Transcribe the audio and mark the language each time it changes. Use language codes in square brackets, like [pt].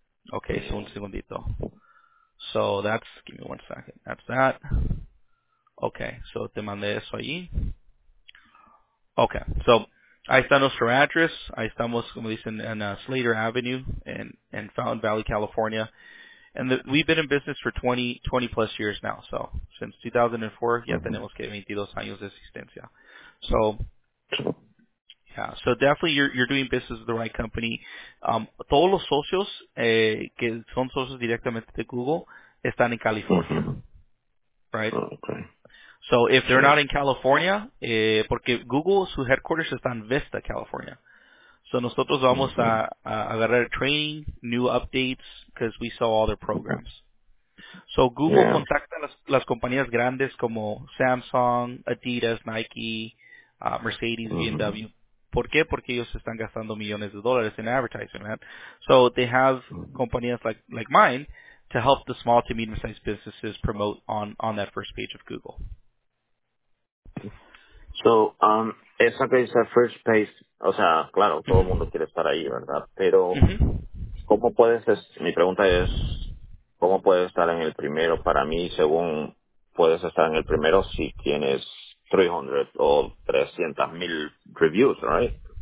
[en] Okay, so [es] un segundito. [en] So that's, give me one second. That's that. [es] Okay, so te mandé eso allí. Okay, so ahí está nuestro address. Ahí estamos, como dicen, en Slater Avenue in Fountain Valley, California. [en] And we've been in business for 20 plus years now. So since 2004, [es] ya tenemos que 22 años de existencia. [en] So, so definitely you're doing business with the right company. [es] Todos los socios que son socios directamente de Google están en California, right? [en] Okay. So if they're not in California, [es] porque Google, su headquarters está en Vista, California. [en] So [es] nosotros vamos a agarrar [en] training, new updates, because we sell all their programs. [es] So Google contacta las compañías grandes como Samsung, Adidas, Nike, Mercedes, BMW. ¿Por qué? Porque ellos están gastando millones de dólares en advertising, man. [en] So they have companies like mine to help the small to medium-sized businesses promote on that first page of Google. [es] So, esa que es la [en] first page, [es] o sea, claro, todo el mundo quiere estar ahí, ¿verdad? Pero, ¿cómo puedes, mi pregunta es, ¿cómo puedes estar en el primero? Para mí, según puedes estar en el primero si tienes 300 o 300 mil reviews, right?